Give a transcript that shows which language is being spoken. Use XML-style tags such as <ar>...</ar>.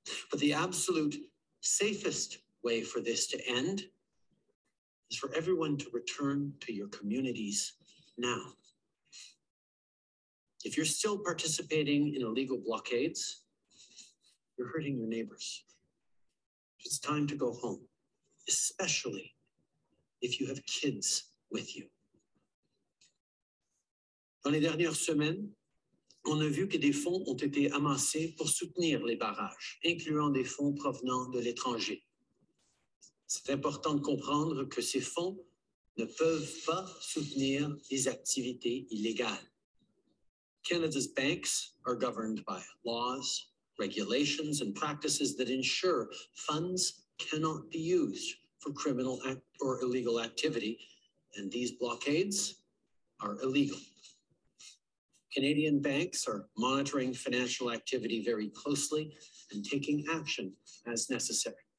<en>But the absolute safest way for this to end is for everyone to return to your communities now. If you're still participating in illegal blockades, you're hurting your neighbors. It's time to go home, especially if you have kids with you.</en> <fr>Dans les dernières semaines, on a vu que des fonds ont été amassés pour soutenir les barrages, incluant des fonds provenant de l'étranger. C'est important de comprendre que ces fonds ne peuvent pas soutenir les activités illégales.</fr> <en>Canada's banks are governed by laws, regulations, and practices that ensure funds cannot be used for criminal or illegal activity, and these blockades are illegal. Canadian banks are monitoring financial activity very closely and taking action as necessary.</en>